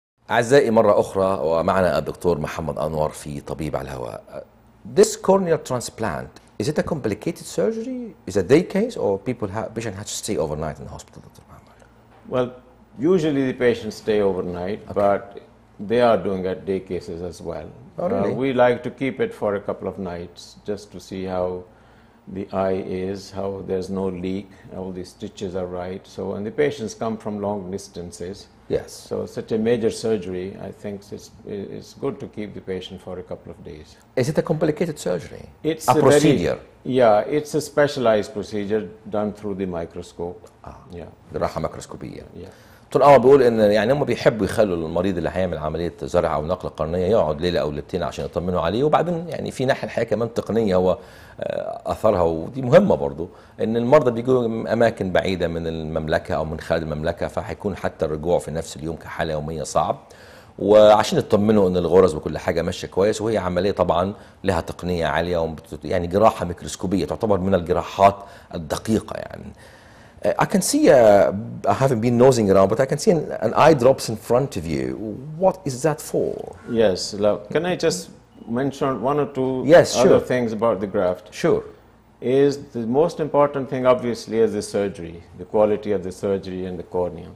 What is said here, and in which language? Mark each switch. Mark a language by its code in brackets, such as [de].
[ar] أعزائي مرة أخرى ومعنا الدكتور محمد أنور في طبيب على الهواء. [en] This corneal transplant, is it a complicated surgery? Is it a day case or patient has to stay overnight in the hospital? Well, usually the patients stay overnight, okay. But they are doing at day cases as well. Oh, really? We like to keep it for a couple of nights just to see how the eye is, how there's no leak, all the stitches are right. So, and the patients come from long distances. Yes. So such a major surgery, I think it's good to keep the patient for a couple of days. Is it a complicated surgery? It's a procedure. Yeah, it's a specialized procedure done through the microscope. Yeah. [ar] جراحة ميكروسكوبية. [en] Yeah. [ar] طول أول بيقول إن يعني هم بيحبوا يخلوا المريض اللي هيعمل عملية زرع أو نقل قرنية يقعد ليلة أو ليلتين عشان يطمنوا عليه، وبعدين يعني في ناحية الحياة كمان تقنية هو أثرها ودي مهمة برضو، إن المرضى بيجوا أماكن بعيدة من المملكة أو من خارج المملكة، فهيكون حتى الرجوع في نفس اليوم كحالة يومية صعب، وعشان يطمنوا إن الغرز وكل حاجة ماشية كويس، وهي عملية طبعا لها تقنية عالية يعني جراحة ميكروسكوبية تعتبر من الجراحات الدقيقة يعني. [en] I can see, I haven't been nosing around, but I can see an eye drops in front of you. What is that for? Yes, look, can I just mention one or two yes, sure. other things about the graft? Sure. Is the most important thing, obviously, is the surgery, the quality of the surgery and the cornea.